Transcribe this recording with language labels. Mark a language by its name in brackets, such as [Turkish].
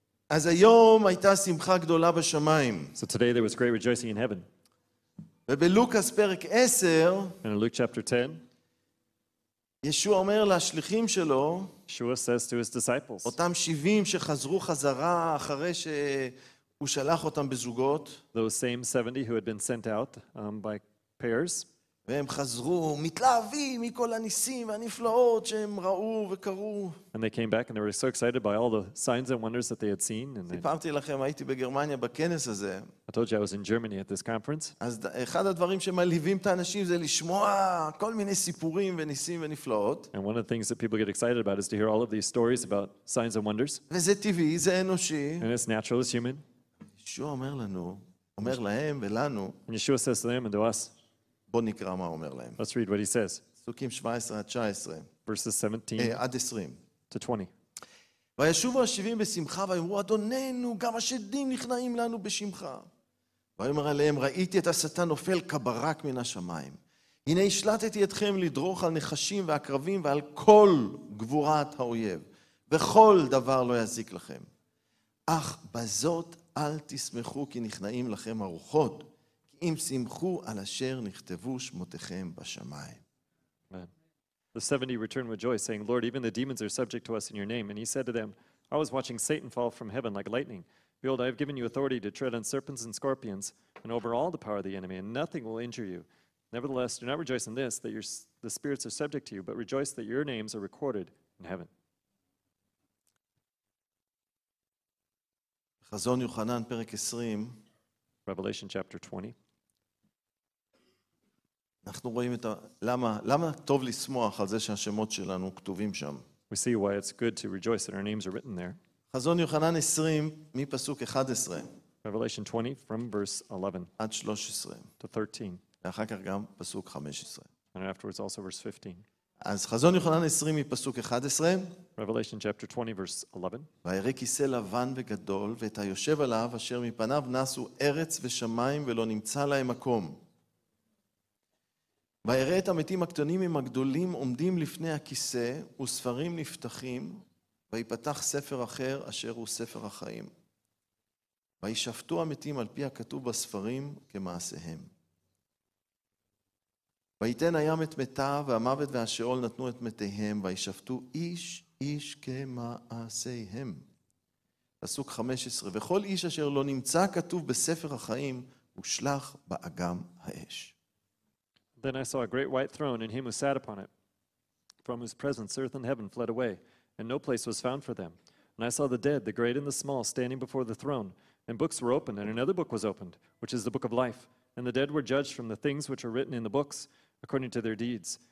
[Hebrew] אז היום הייתה שמחה גדולה בשמיים. [English] So today there was great rejoicing in heaven. [Hebrew] ובלוקס פרק 10. [English] And in Luke chapter 10. [Hebrew] ישוע אומר לשליחים שלו, [English] Yeshua says to his disciples, [Hebrew] אותם 70 שחזרו חזרה אחרי שהוא שלח אותם בזוגות, [English] those same 70 who had been sent out by pairs, [Hebrew] והם חזרו מתלהבים מכל הניסים והנפלאות שהם ראו וקראו. [English] And they came back and they were so excited by all the signs and wonders that they had seen. [Hebrew] סיפרתי לכם, הייתי בגרמניה בכנס הזה. [English] I told you I was in Germany at this conference. [Hebrew] אז אחד הדברים שמלהיבים את האנשים זה לשמוע כל מיני סיפורים וניסים ונפלאות. [English] And one of the things that people get excited about is to hear all of these stories about signs and wonders. [Hebrew] וזה טבעי, זה אנושי. [English] And it's natural, it's human. [Hebrew] ישוע אומר לנו, אומר להם ולנו. [English] And Yeshua says to them and to us. [Hebrew] בוא נקרא מה אומר להם. [English] Let's read what he says. [Hebrew] פסוקים 17-19. [English] Verses 17 [Hebrew] עד 20. [English] To 20. [Hebrew] וישובו השבעים בשמחה ואמרו, אדוננו, גם השדים נכנעים לנו בשמחה. ויאמר אליהם, ראיתי את השטן נופל כברק מן השמיים. הנה השלטתי אתכם לדרוך על נחשים ועקרבים ועל כל גבורת האויב. וכל דבר לא יזיק לכם. אך בזאת אל תשמחו כי נכנעים לכם הרוחות. אם שמחו על אשר נכתבו שמותיכם בשמיים. [English] The 70 returned with joy, saying, Lord, even the demons are subject to us in your name. And he said to them, I was watching Satan fall from heaven like lightning. Behold, I have given you authority to tread on serpents and scorpions and over all the power of the enemy, and nothing will injure you. Nevertheless, do not rejoice in this, that the spirits are subject to you, but rejoice that your names are recorded in heaven. [Hebrew] חזון יוחנן, פרק 20, [English] Revelation chapter 20. [Hebrew] אנחנו רואים את למה טוב לשמוח על זה שהשמות שלנו כתובים שם. [English] We see why it's good to rejoice that our names are written there. [Hebrew] חזון יוחנן 20 מפסוק 11. [English] Revelation 20 from verse 11. [Hebrew] עד 13. [English] To 13. [Hebrew] ואחר כך גם פסוק 15. [English] And afterwards also verse 15. [Hebrew] אז חזון יוחנן 20 מפסוק 11. [English] Revelation chapter 20 verse 11. [Hebrew] ויראה כיסא לבן וגדול ואת היושב עליו אשר מפניו נסו ארץ ושמיים ולא נמצא להם מקום. ויראה את המתים הקטנים עם הגדולים עומדים לפני הכיסא וספרים נפתחים ויפתח ספר אחר אשר הוא ספר החיים. וישפטו המתים על פי הכתוב בספרים כמעשיהם. ויתן הים את מתיו, והמוות והשאול נתנו את מתיהם, וישפטו איש איש כמעשיהם. פסוק 15, וכל איש אשר לא נמצא כתוב בספר החיים, הושלך באגם האש. [English] Then I saw a great white throne, and him who sat upon it, from whose presence earth and heaven fled away, and no place was found for them. And I saw the dead, the great and the small, standing before the throne, and books were opened, and another book was opened, which is the book of life. And the dead were judged from the things which were written in the books, according to their deeds.